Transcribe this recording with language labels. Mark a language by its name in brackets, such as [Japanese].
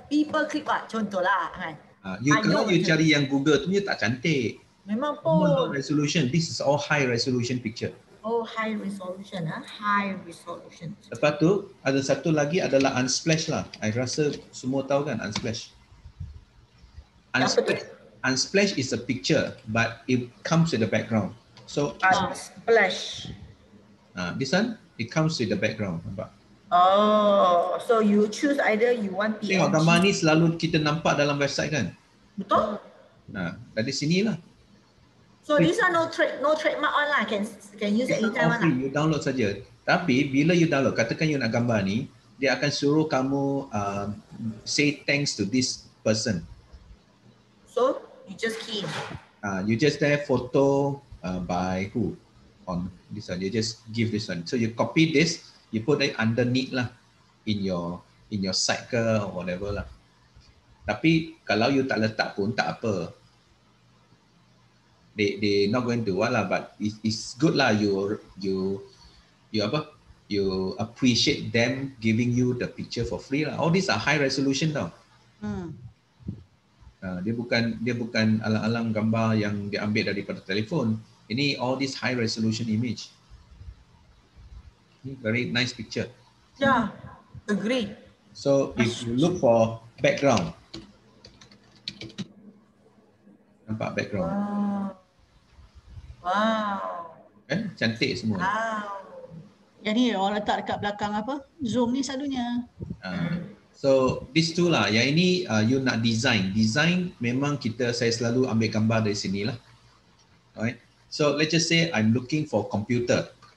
[English] People clip art contohlah kan. [Malay] You cari yang Google tu punya tak cantik. Memang pun. [English] Low resolution. This is all high resolution picture. Oh, high resolution High resolution. [Malay] Lepas tu, ada satu lagi adalah Unsplash lah. I rasa semua tahu kan Unsplash. [English] Unsplash is a picture but it comes with the background. So Unsplash. This one, it comes with the background. [Malay] Nampak? [English] Oh, so you choose either you want PNG. [Malay] Tengok gambar ni selalu kita nampak dalam website kan? Betul. Nah, dari sini lah. [English] So this one no trademark on lah. Can use it anytime lah. [Malay] You download saja. Tapi bila you download, katakan you nak gambar ni, dia akan suruh kamu [English] say thanks to this person. So you just key. You just there photo. By who? On this one, you just give this one. So you copy this, you put it underneath lah, in your site ke or whatever lah. [Malay] Tapi kalau you tak letak pun tak apa. [English] They not going to what lah, but it's good lah. You apa? You appreciate them giving you the picture for free lah. All these are high resolution tau. [Malay] Dia bukan alang-alang gambar yang diambil daripada telefon. [English] Ini all this high resolution image. Very nice picture. Yeah, agree. So if you look for background. [Malay] Nampak background. Wow. Eh, cantik semua. Wow. Jadi orang letak dekat belakang apa? Zoom ni selalunya. So this tu lah. Yang ini you nak design. Design memang saya selalu ambil gambar dari sini lah. [English] Alright. So let's just say I'm looking for computer.